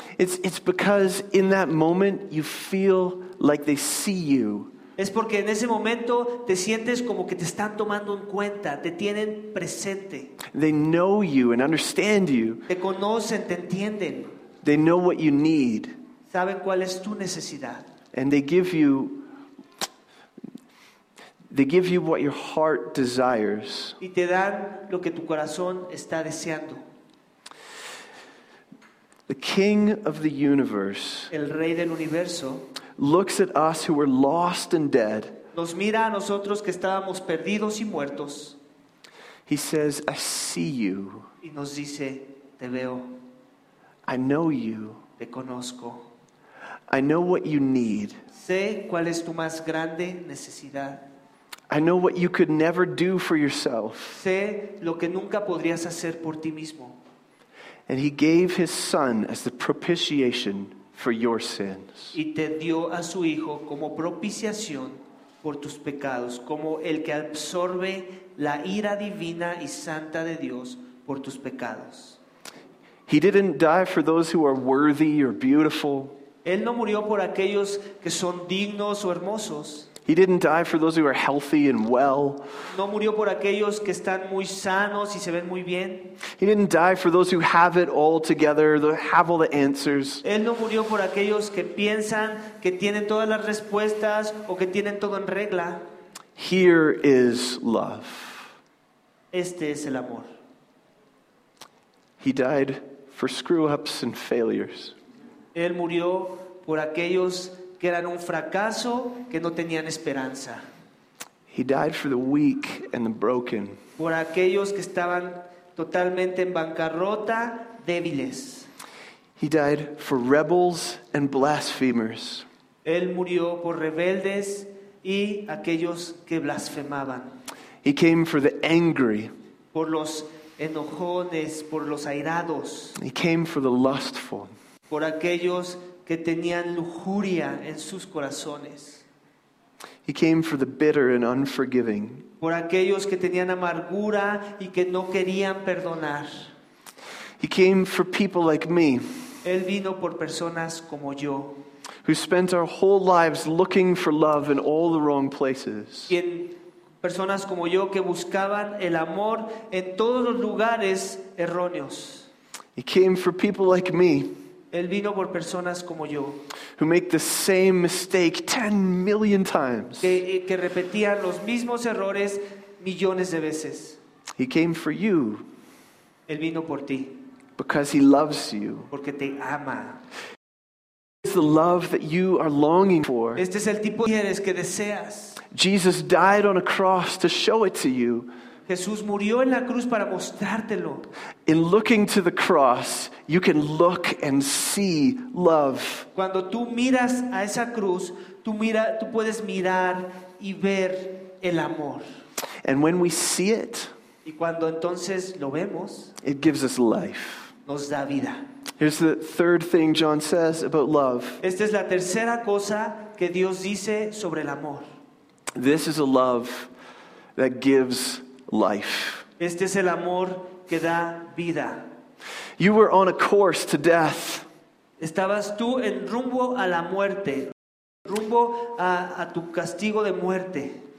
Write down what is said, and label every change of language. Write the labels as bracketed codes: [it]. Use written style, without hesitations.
[en] it's because in that moment you feel like they see you. [es] Es porque en ese momento te sientes como que te están tomando en cuenta, te tienen presente. [en] They know you and understand you. [es] Te conocen, te entienden. [en] They know what you need. [es] Saben cuál es tu necesidad. [en] And they give you what your heart desires. [es] Y te dan lo que tu corazón está deseando. [en] The King of the Universe. [es] El Rey del Universo. [en] Looks at us who were lost and dead. [es] Nos mira a nosotros que estábamos perdidos y muertos. [en] He says, I see you. [es] Y nos dice, te veo. [en] I know you. [es] Te conozco. [en] I know what you need. [es] Sé cuál es tu más grande necesidad. [en] I know what you could never do for yourself. [es] Sé lo que nunca podrías hacer por ti mismo. [en] And he gave his son as the propitiation for your sins. [es] Y te dio a su hijo como propiciación por tus pecados, como el que absorbe la ira divina y santa de Dios por tus pecados. [en] He didn't die for those who are worthy or beautiful. [es] Él no murió por aquellos que son dignos o hermosos. [en] He didn't die for those who are healthy and well. [es] No murió por aquellos que están muy sanos y se ven muy bien. [en] He didn't die for those who have it all together, have all the answers. [es] Él no murió por aquellos que piensan que tienen todas las respuestas o que tienen todo en regla. [en] Here is love. [es] Este es el amor. [en] He died for screw-ups and failures. [es] Él murió por aquellos que eran un fracaso, que no tenían esperanza. [en] He died for the weak and the broken. [es] Por aquellos que estaban totalmente en bancarrota, débiles. [en] He died for rebels and blasphemers. [es] Él murió por rebeldes y aquellos que blasfemaban. [en] He came for the angry. [es] Por los enojones, por los airados. [en] He came for the lustful. [es] Por aquellos que tenían lujuria en sus corazones. [en] He came for the bitter and unforgiving. [es] Por aquellos que tenían amargura y que no querían perdonar. [en] He came for people like me. [es] Él vino por personas como yo. [en] Who spent our whole lives looking for love in all the wrong places. [es] Quien, personas como yo que buscaban el amor en todos los lugares erróneos. [en] He came for people like me. [es] Él vino por personas como yo. [en] Who make the same mistake 10 million times. [es] Que repetían los mismos errores millones de veces. [en] He came for you. [es] Él vino por ti. [en] Because he loves you. [es] Porque te ama. [en] It's the love that you are longing for. [es] Este es el tipo que eres, que deseas. [en] Jesus died on a cross to show it to you. [es] Jesús murió en la cruz para mostrártelo. [en] In looking to the cross, you can look and see love. [es] Cuando tú miras a esa cruz, tú puedes mirar y ver el amor. [en] And when we see it, [es] y cuando entonces lo vemos, [en] it gives us life. [es] Nos da vida. [en] Here's the third thing John says about love. [es] Esta es la tercera cosa que Dios dice sobre el amor. [en] This is a love that gives life. [es] Este es el amor que da vida. [en] You were on a course to death. [es] Estabas tú en rumbo a la muerte, rumbo a tu castigo de muerte.